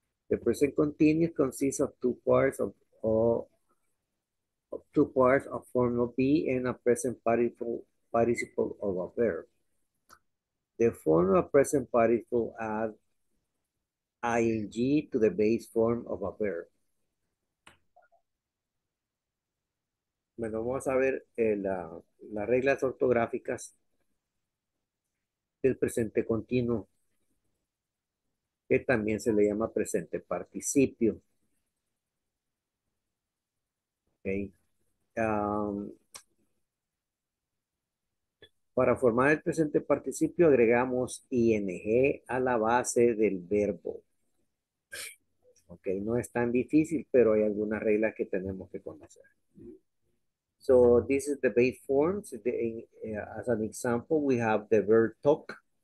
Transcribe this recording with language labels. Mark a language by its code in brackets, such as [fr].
[en] The present continuous consists of two parts of form of be and a present participle of a verb. The form of present participle adds ing to the base form of a verb. [es] Bueno, vamos a ver las reglas ortográficas del presente continuo, que también se le llama presente participio. [en] Okay. [es] Para formar el presente participio agregamos ing a la base del verbo. Ok, no es tan difícil, pero hay algunas reglas que tenemos que conocer. [en] So, this is the base forms. As an example, we have the verb talk.